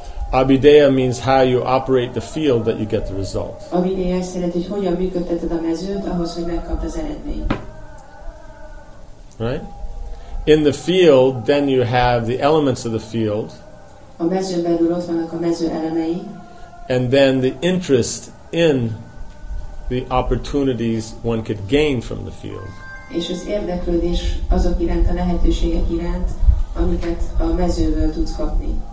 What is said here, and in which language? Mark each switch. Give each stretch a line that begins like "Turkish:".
English: Abhideya means how you operate the field that you get the result.
Hungarian: Abhideya szerint, hogy hogyan működteted a mezőt, ahhoz, hogy megkapd az eredményt.
English: Right? In the field, then you have the elements of the field.
Hungarian: A mezőn belül ott vannak a mező elemei.
English: And then the interest in the opportunities one could gain from the field.
Hungarian: És az érdeklődés azok iránt, a lehetőségek iránt, amiket a mezőből tudsz kapni.